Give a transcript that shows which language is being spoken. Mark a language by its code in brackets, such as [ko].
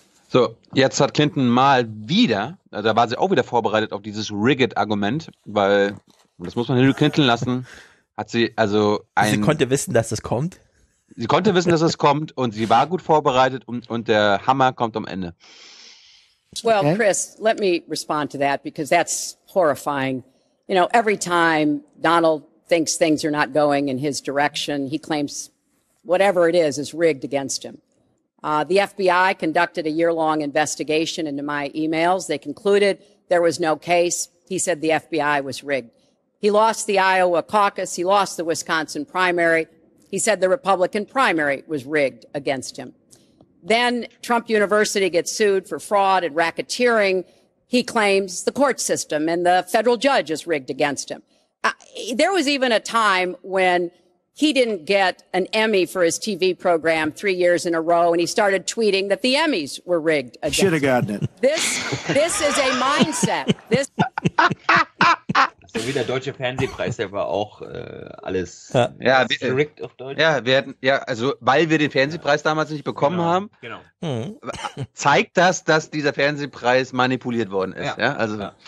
[de] So, jetzt hat Clinton mal wieder, also da war sie auch wieder vorbereitet auf dieses Rigged-Argument, weil, das muss man Hillary Clinton lassen, hat sie also ein... Sie konnte wissen, dass das kommt. Sie konnte wissen, dass es kommt und sie war gut vorbereitet und der Hammer kommt am Ende. [en] Well, okay. Chris, let me respond to that because that's horrifying. You know, every time Donald thinks things are not going in his direction, he claims whatever it is rigged against him. The FBI conducted a year-long investigation into my emails. They concluded there was no case. He said the FBI was rigged. He lost the Iowa caucus. He lost the Wisconsin primary. He said the Republican primary was rigged against him. Then Trump University gets sued for fraud and racketeering. He claims the court system and the federal judge is rigged against him. There was even a time when he didn't get an Emmy for his TV program 3 years in a row, and he started tweeting that the Emmys were rigged against him. Should have gotten it. This is a mindset. This. [de] So wie der deutsche Fernsehpreis, der war auch alles ja, rigged auf Deutsch. Ja, weil wir den Fernsehpreis damals nicht bekommen genau, haben, genau. Zeigt das, dass dieser Fernsehpreis manipuliert worden ist. Ja, ja? Also, ja.